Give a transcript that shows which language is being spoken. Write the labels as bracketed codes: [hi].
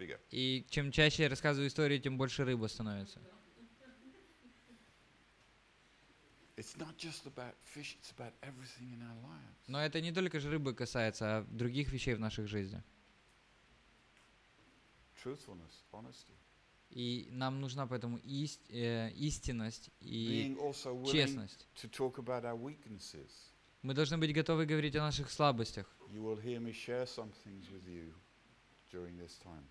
[ru] И чем чаще я рассказываю историю, тем больше рыба становится. [en] It's not just about fish, it's about everything in our lives. [ru] Но это не только же рыбы касается, а других вещей в наших жизнях. [en] Truthfulness, honesty. [ru] И нам нужна поэтому истинность и честность. [en] To talk about our weaknesses. [ru] Мы должны быть готовы говорить о наших слабостях. [en] You will hear me share some things with you during this time.